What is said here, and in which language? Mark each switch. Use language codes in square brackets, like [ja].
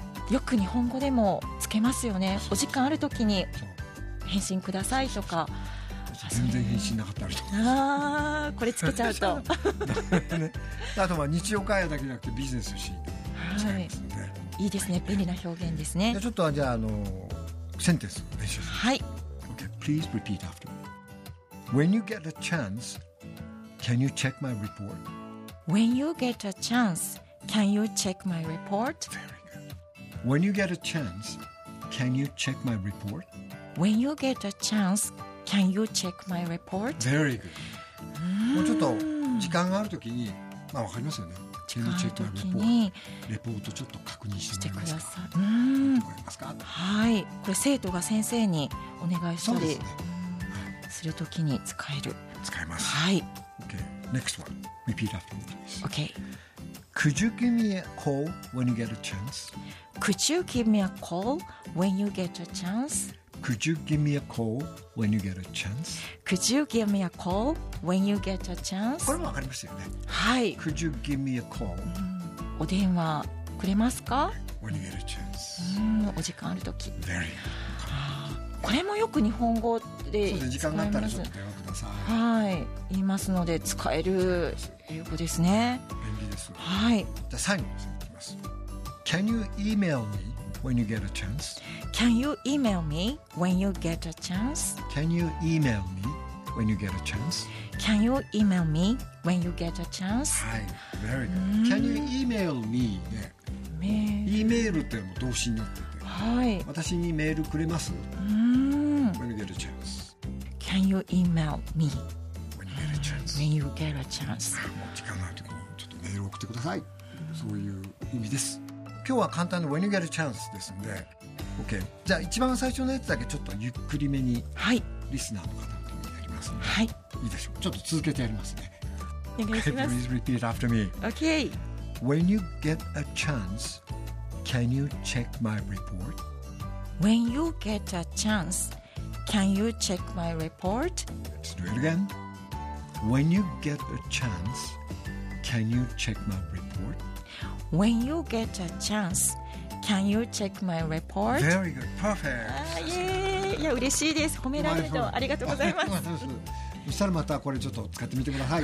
[ja] よく日本語でもつけますよね。お時間あるときに返信くださいとか。全然返信なかったりとか。これつけちゃうと。あとは日常会話だけじゃなくてビジネスシーンで使いますので、はい。いいですね。便利な表現ですね。ちょっとじゃあセンテンス練習します。はい。 [en] Okay, please repeat after me. When you get a chance, can you check my report? When you get a chance, can you check my report? Very good. When you get a chance, can you check my report? When you get a chance, can you check my report? Very good. [ja] もうちょっと時間があるときに、まあわかりますよね。 [en] Can you check my report? [ja] レポートちょっと確認してください。してください。わかりますか？はい。これ生徒が先生にお願いしたりするときに使える。使えます。はい。 [en] Okay. Next one. Repeat after me, please. Okay. Could you give me a call when you get a chance? Could you give me a call when you get a chance? Could you give me a call when you get a chance? Could you give me a call when you get a chance? [ja] これもわかりますよね。はい。 [en] Could you give me a call? [ja] お電話くれますか？ [en] When you get a chance. [ja] お時間あるとき。 [en] Very good. [ja] これもよく日本語で使います。そうですね。時間があったらちょっと電話ください。はい。言いますので使える英語ですね。はい。じゃあ最後にいきます。 [en] Can you email me when you get a chance? Can you email me when you get a chance? Can you email me when you get a chance? Can you email me when you get a chance? はい。Very good. Can you email me? ね。 [ja] メール。 E メールっていうのも動詞になってて。はい。私にメールくれます？ [en] When you get a chance. Can you email me? When you get a chance. When you get a chance. [ja] もう時間がある時に。メール送ってください。そういう意味です。今日は簡単な [en] When you get a chance [ja] ですので、 OK、 じゃあ一番最初のやつだけちょっとゆっくりめに、はい、リスナーの方とやりますので、はい、いいでしょう。ちょっと続けてやりますね。お願いします。 [en] Please repeat after me. OK. When you get a chance, can you check my report? When you get a chance, can you check my report? Let's do it again. When you get a chanceCan you check my report? When you get a chance, can you check my report? Very good. Perfect. [ja] いや、嬉しいです。褒められるとありがとうございます。そしたらまたこれちょっと使ってみてください。